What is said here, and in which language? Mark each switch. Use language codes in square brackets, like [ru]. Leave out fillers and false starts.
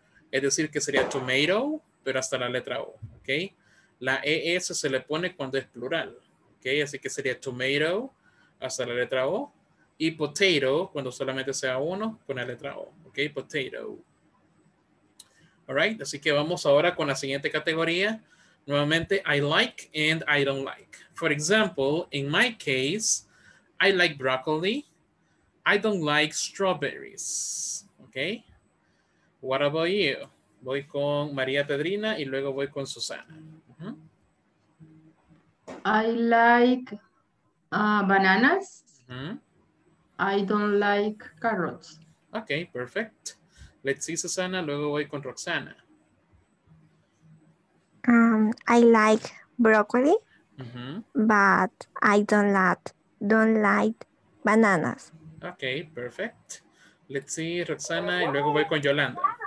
[es] Es decir, que sería tomato, pero hasta la letra O, ¿ok? La ES se le pone cuando es plural, ¿ok? Así que sería tomato hasta la letra O y potato cuando solamente sea uno con la letra O, ¿ok? Potato. [en] All right, [es] así que vamos ahora con la siguiente categoría. [en] Nuevamente, I like and I don't like. For example, in my case, I like broccoli, I don't like strawberries. Okay. What about you? [es] Voy con María Pedrina y luego voy con Susana. [en] I like bananas. I don't like carrots. Okay, perfect. Let's see, Susana. [es] Luego voy con Roxana. [en] I like broccoli, but I don't like bananas. Okay, perfect. Let's see, [es] Roxana, y luego voy con Yolanda.